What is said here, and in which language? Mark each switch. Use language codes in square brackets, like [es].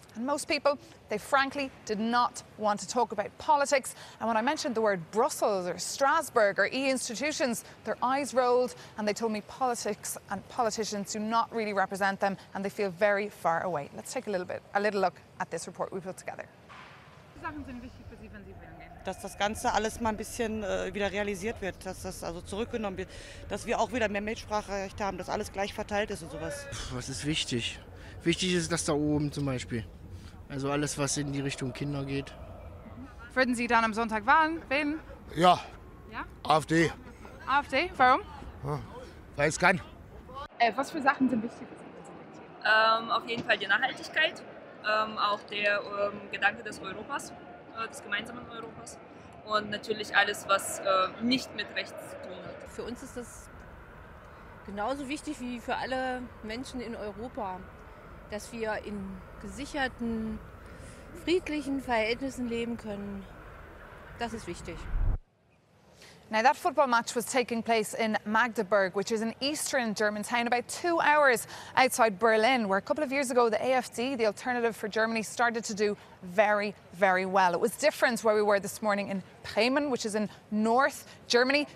[en] And most people, they frankly did not want to talk about politics. And when I mentioned the word Brussels or Strasbourg or EU institutions, their eyes rolled and they told me politics and politicians do not really represent them and they feel very far away. Let's take a little look at this report we put together. [de] Dass das Ganze alles mal ein bisschen wieder realisiert wird, dass das also zurückgenommen wird, dass wir auch wieder mehr Mitspracherecht haben, dass alles gleich verteilt ist und sowas. Was ist wichtig? Wichtig ist das da oben zum Beispiel. Also alles, was in die Richtung Kinder geht. Würden Sie dann am Sonntag wählen? Ja. AfD. AfD? Warum? Ja. Weiß kein. Was für Sachen sind wichtig? Auf jeden Fall die Nachhaltigkeit, auch der Gedanke des Europas, des gemeinsamen Europas und natürlich alles, was nicht mit rechts zu tun hat. Für uns ist das genauso wichtig wie für alle Menschen in Europa, dass wir in gesicherten, friedlichen Verhältnissen leben können. Das ist wichtig. [en] Now, that football match was taking place in Magdeburg, which is an eastern German town about 2 hours outside Berlin, where a couple of years ago the AfD, the Alternative for Germany, started to do very, very well. It was different where we were this morning in Bremen, which is in North Germany.